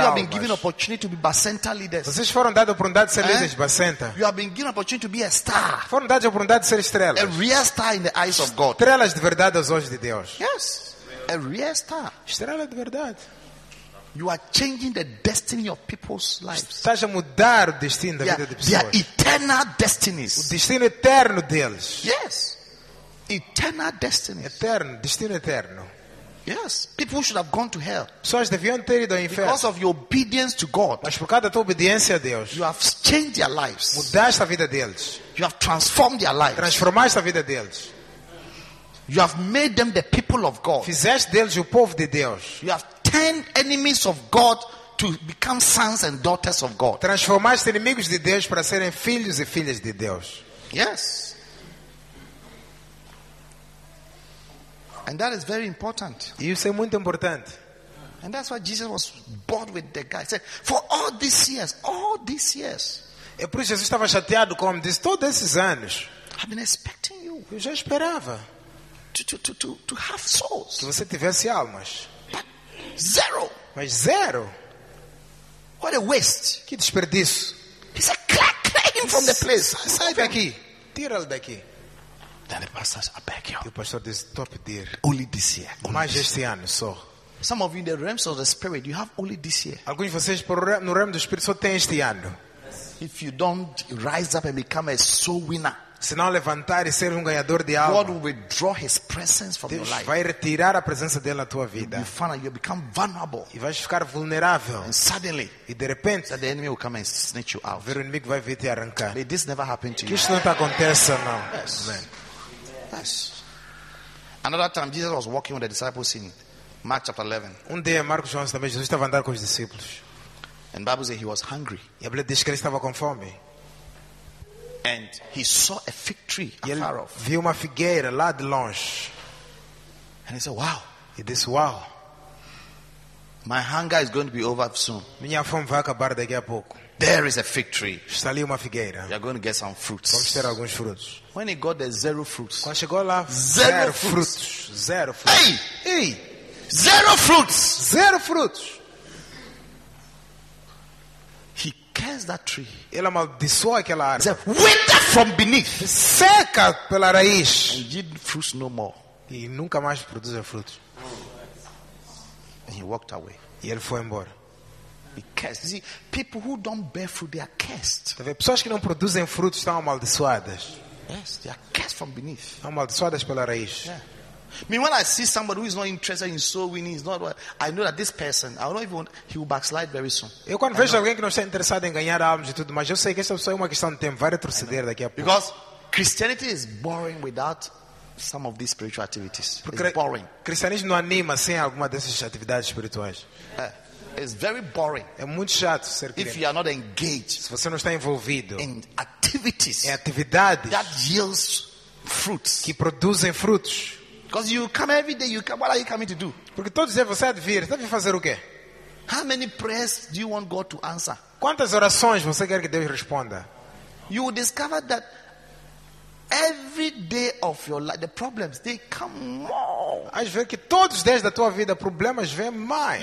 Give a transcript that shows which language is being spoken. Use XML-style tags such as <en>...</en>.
<en>almas. You have been given opportunity to be Bacenta leaders.</en> <pt>Vocês foram dados a oportunidade de ser líderes de Bacenta.</pt> <en>You have been given opportunity to be a star.</en> <pt>Foram dados a oportunidade de ser estrelas.</pt> <en>A real star in the eyes of God.</en> <pt>Estrelas de verdade aos olhos de Deus.</pt> <en>Yes. A real star.</en> <pt>Estrela de verdade.</pt> <en>You are changing the destiny of people's lives.</en> <pt>Estás a mudar o destino da vida de pessoas.</pt> <en>Their eternal destinies.</en> <pt>O destino eterno deles.</pt> <en>Yes. Eternal destiny.</en> <pt>Eterno, destino eterno.</pt> <en>Yes, people should have gone to hell.</en> <pt>Pessoas deviam ter ido ao inferno.</pt> <en>Because of your obedience to God.</en> <pt>Mas por causa da tua obediência a Deus.</pt> <en>You have changed their lives.</en> <pt>Mudaste a vida deles.</pt> <en>You have transformed their lives.</en> <pt>Transformaste a vida deles.</pt> <en>You have made them the people of God.</en> <pt>Fizeste deles o povo de Deus.</pt> <en>You have turned enemies of God to become sons and daughters of God.</en> <pt>Transformaste inimigos de Deus para serem filhos e filhas de Deus.</pt> <en>Yes. And that is very important.</en> <pt>Isso é muito importante.</pt> <en>And that's why Jesus was bored with the guy. He said, for all these years, all these years.</en> <pt>É por isso que Jesus estava chateado com ele. Disse, todos esses anos.</pt> <en>I've been expecting you.</en> <pt>Eu já esperava.</pt> <en>To have souls.</en> <pt>Que você tivesse almas.</pt> <en>But zero.</en> <pt>Mas zero.</pt> <en>What a waste.</en> <pt>Que desperdício.</pt> <en>He said, claim from the place.</en> <pt>Sai daqui. Tira-lhe daqui.</pt> <en>Then the pastor says, I beg you.</en> <pt>O pastor diz, "Tô pedir.</pt> <en>Only this year.</en> <pt>Mais este ano, só.</pt> <en>Some of you in the realms of the spirit, you have only this year.</en> <pt>Alguns de vocês no reino do espírito só tem este ano.</pt> <en>If you don't rise up and become a soul winner,</en> <pt>se não levantar e ser ganhador de alma,</pt> <en>God will withdraw His presence from your life.</en> <pt>Vai retirar a presença dele na tua vida.</pt> <en>You find that you become vulnerable.</en> <pt>E vais ficar vulnerável.</pt> <en>And suddenly,</en> <pt>e de repente,</pt> <en>that the enemy will come and snatch you out.</en> <pt>Ver o inimigo vai vir te arrancar.</pt> <en>May this never happen to you.</en> <pt>Que isso não te aconteça, não.</pt> <en>Yes. Amen. Yes. Another time Jesus was walking with the disciples in Mark chapter 11.</en> <pt>Um dia Marcos João também Jesus estava andando com os discípulos.</pt> <en>And Bible says he was hungry.</en> <pt>E a Bíblia diz que ele estava com fome.</pt> <en>And he saw a fig tree afar off.</en> <pt>Viu uma figueira lá de longe.</pt> <en>And he said, "Wow."</en> <pt>He disse, "Wow."</pt> <en>My hunger is going to be over soon.</en> <pt>Minha fome vai acabar daqui a pouco.</pt> <en>There is a fig tree.</en> <pt>Está ali uma figueira.</pt> <en>You are going to get some fruits.</en> <pt>Vamos ter alguns frutos.</pt> <en>When he got the zero fruits.</en> <pt>Quando chegou lá,</pt> <en>zero fruits. Zero fruits. Hey! Hey! Zero fruits. Zero fruits. He cursed that tree.</en> <pt>Ele amaldiçoou aquela árvore.</pt> <en>Wither from beneath.</en> <pt>Seca pela raiz.</pt> <en>And yield fruits no more.</en> <pt>E nunca mais produz frutos.</pt> <en>And he walked away.</en> <pt>E ele foi embora.</pt> <en>Cursed. See, people who don't bear fruit, they are cursed.</en> <pt>Pessoas que não produzem frutos estão amaldiçoadas.</pt> <en>Yes, they are cursed from beneath.</en> <pt>Estão amaldiçoadas pela raiz.</pt> <en>Yeah. Me, when I see somebody who is not interested in soul winning, is not, I know that this person, I don't even, he will backslide very soon.</en> <pt>Eu quando vejo alguém que não está interessado em ganhar almas e tudo, mas eu sei que essa pessoa é uma questão de tempo, vai retroceder daqui a pouco.</pt> <en>Because Christianity is boring without some of these spiritual activities. It's boring.</en> <pt>Cristianismo não anima sem alguma dessas atividades espirituais.</pt> <en>It's very boring.</en> <pt>É muito chato ser crente.</pt> <en>If you are not engaged,</en> <pt>se você não está envolvido</pt> <en>in activities,</en> <pt>em atividades</pt> <en>that yields fruits,</en> <pt>que produzem frutos,</pt> <en>because you come every day, you come. What are you coming to do?</en> <pt>Porque todos os dias você advir, está a fazer o quê?</pt> <en>How many prayers do you want God to answer?</en> <pt>Quantas orações você quer que Deus responda?</pt> <en>You will discover that Every day of your life, the problems, they come more.</en> <pt>Às vezes que todos os dias da tua vida, problemas vêm mais.</pt>